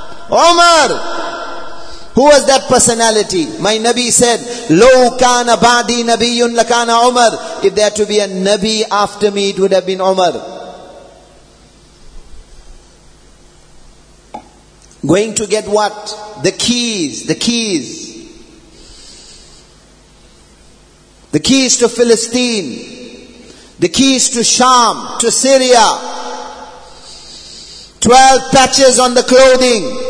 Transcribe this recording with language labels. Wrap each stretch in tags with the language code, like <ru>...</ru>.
<en>Umar, who was that personality? My Nabi said,</en> <ar>لَوْ كَانَ بَعْدِي نَبِيٌّ لَكَانَ عُمَرْ.</ar> <en>If there to be a Nabi after me, it would have been Umar. Going to get what? The keys. The keys to Philistine, the keys to Sham, to Syria, 12 patches on the clothing.</en>